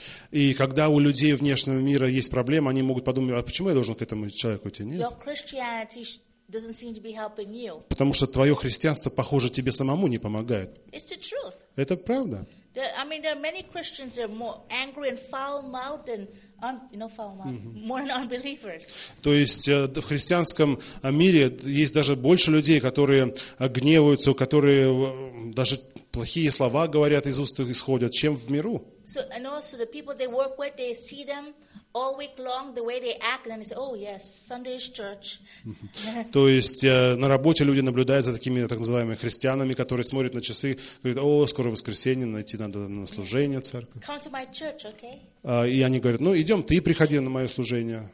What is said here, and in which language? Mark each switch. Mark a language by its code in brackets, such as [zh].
[ru] И когда у людей внешнего мира есть проблемы, они могут подумать, а почему я должен к этому человеку идти? Нет. [en] Your Christianity doesn't seem to be helping you. [ru] Потому что твое христианство, похоже, тебе самому не помогает. [en] It's the truth. [ru] Это правда. [en] There are many Christians that are more angry and foul-mouthed than more than unbelievers. [ru] То есть в христианском мире есть даже больше людей, которые гневаются, которые даже плохие слова говорят из уст исходят, чем в миру. [en] So, and also the people they work with, they see them all week long, the way they act, and then they say, oh yes, Sunday is church. [ru] То есть на работе люди наблюдают за такими так называемыми христианами, которые смотрят на часы, говорят, о, скоро воскресенье, найти надо на служение церкви. [en] Come to my church, okay? [ru] И они говорят, ну идем, ты приходи на мое служение.